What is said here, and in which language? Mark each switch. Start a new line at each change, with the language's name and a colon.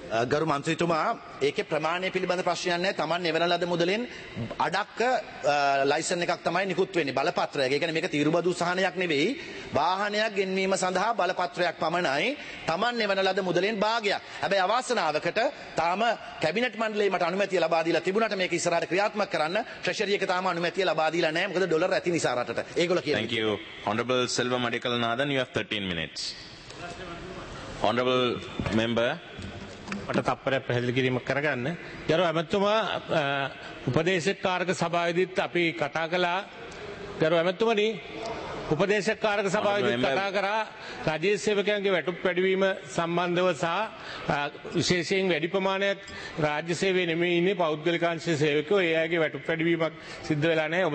Sinhala: ගරු මන්ත්‍රීතුමා, ඒකේ ප්‍රමාණය පිළිබඳ ප්‍රශ්නයක් නැහැ. Taman එවන ලද මුදලෙන් අඩක්ක ලයිසන් එකක් තමයි නිකුත් වෙන්නේ බලපත්‍රය. ඒ කියන්නේ මේක තීරුබදු සහනයක් නෙවෙයි, වාහනයක් ගෙන්වීම සඳහා බලපත්‍රයක් පමණයි. Taman එවන ලද මුදලෙන් භාගයක්. හැබැයි අවාසනාවකට තාම කැබිනට් මණ්ඩලයේ මට අනුමැතිය ලබා දීලා තිබුණාට මේක ඉස්සරහට ක්‍රියාත්මක කරන්න ට්‍රෙෂරි එක තාම අනුමැතිය ලබා දීලා නැහැ. මොකද ඩොලර් ඇති නිසා රටට. ඒගොල්ලෝ කියන්නේ.
English: Thank you. Honorable Selva Madikala Nadan, you have 13 minutes. Honorable member,
Sinhala: මට තප්පරයක් පැහැදිලි කිරීමක් කරගන්න. ගරු ඇමතුමා, උපදේශකාරක සභාවේදීත් අපි කතා කළා. ගරු ඇමතුමනි, උපදේශකාරක සභාවේදීත් කතා කරා රජයේ සේවකයන්ගේ වැටුප් වැඩිවීම සම්බන්ධව සහ විශේෂයෙන් වැඩි ප්‍රමාණයක් රාජ්‍ය සේවයේ නෙමෙයි ඉන්නේ පෞද්ගලිකාංශ සේවකයෝ, ඒ අයගේ වැටුප් වැඩිවීමක් සිද්ධ වෙලා නැහැ.